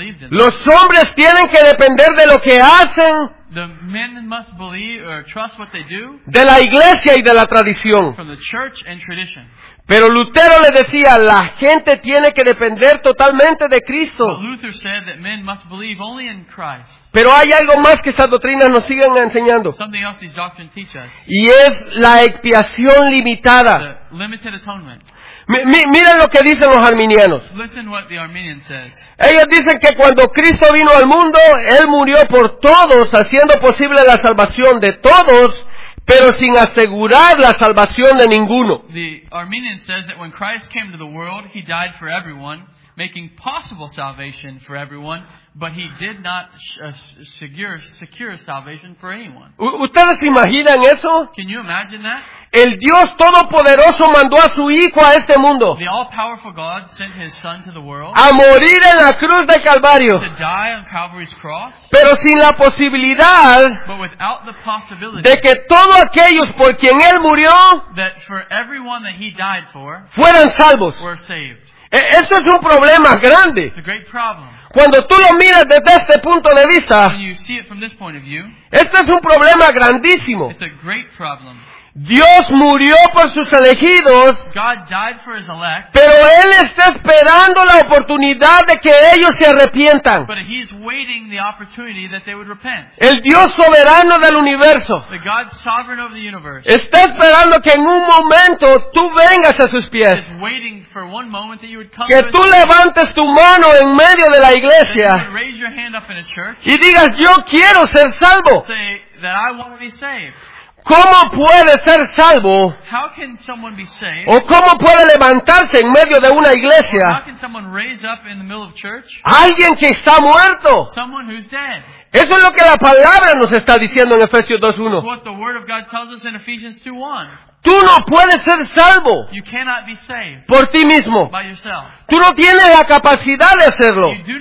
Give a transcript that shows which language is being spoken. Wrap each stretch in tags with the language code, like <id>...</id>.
<es>Los hombres tienen que depender de lo que hacen.</es> <en>The men must believe or trust what they do.</en> <es>De la iglesia y de la tradición.</es> <en>From the church and tradition.</en> <es>Pero Lutero le decía, la gente tiene que depender totalmente de Cristo.</es> <en>But Luther said that men must believe only in Christ.</en> <es>Pero hay algo más que estas doctrinas nos siguen enseñando.</es> <en>Something else these doctrines teach us.</en> <es>Y es la expiación limitada.</es> <en>The limited atonement.</en> <es>Miren lo que dicen los arminianos.</es> <en>Listen what the Arminian says.</en> <es>Ellos dicen que cuando Cristo vino al mundo, Él murió por todos, haciendo posible la salvación de todos, pero sin asegurar la salvación de ninguno.</es> <en>The Arminian says that when Christ came to the world, He died for everyone, making possible salvation for everyone, but He did not secure salvation for anyone.</en> <es>¿Ustedes imaginan eso?</es> <en>Can you imagine that?</en> <es>El Dios Todopoderoso mandó a su Hijo a este mundo.</es> <en>The all-powerful God sent His Son to the world.</en> <es>A morir en la cruz de Calvario.</es> <en>To die on Calvary's cross.</en> <es>Pero sin la posibilidad.</es> <en>But without the possibility.</en> <es>De que todos aquellos por quien Él murió.</es> <en>That for everyone that He died for.</en> <es>Fueran salvos.</es> <en>Were saved.</en> <es>Eso es un problema grande.</es> <en>It's a great problem.</en> <es>Cuando tú lo miras desde este punto de vista.</es> <en>When you see it from this point of view.</en> <es>Este es un problema grandísimo.</es> <en>It's a great problem.</en> <es>Dios murió por sus elegidos,</es> <en>God died for His elect,</en> <es>pero Él está esperando la oportunidad de que ellos se arrepientan.</es> <en>But He's waiting the opportunity that they would repent.</en> <es>El Dios soberano del universo,</es> <en>the God sovereign of the universe,</en> <es>está esperando que en un momento tú vengas a sus pies,</es> <en>is waiting for one moment that you would come</en> <es>que tú levantes tu mano en medio de la iglesia,</es> <en>that you would raise your hand up in a church,</en> <es>y digas, yo quiero ser salvo.</es> <en>Say that I want to be saved.</en> <es>¿Cómo puede ser salvo?</es> <en>How can someone be saved?</en> <es>¿O cómo puede levantarse en medio de una iglesia?</es> <en>How can someone raise up in the middle of church?</en> <es>Alguien que está muerto.</es> <en>Someone who's dead.</en> <es>Eso es lo que la palabra nos está diciendo en Efesios 2:1.</es> <en>What the word of God tells us in Ephesians 2:1.</en> <es>Tú no puedes ser salvo por ti mismo. Tú no tienes la capacidad de hacerlo.</es>